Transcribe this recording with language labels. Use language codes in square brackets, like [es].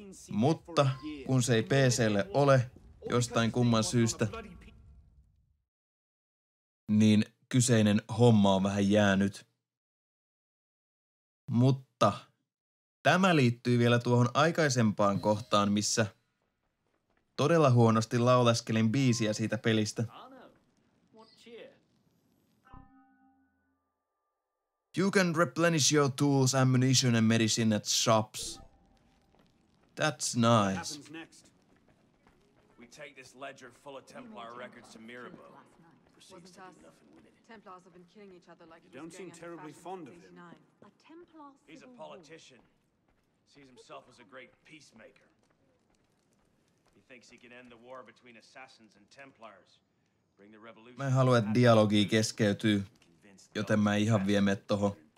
[fi] Mutta kun se ei PC:lle ole jostain kumman syystä, niin kyseinen homma on vähän jäänyt. Mutta tämä liittyy vielä tuohon aikaisempaan kohtaan, missä todella huonosti lauleskelin biisiä siitä pelistä. [en] You can replenish your tools, ammunition and medicine at shops. That's nice. We take this ledger full of Templar records to Mirabeau. Templars have been killing each other like you don't seem terribly fond of him. A Templar civil war. He's a politician. Sees himself as a great peacemaker. He thinks he can end the war between assassins and Templars. Bring the revolution. [fi] Mä haluan, että dialogi keskeytyy, joten mä ihan vie met toho.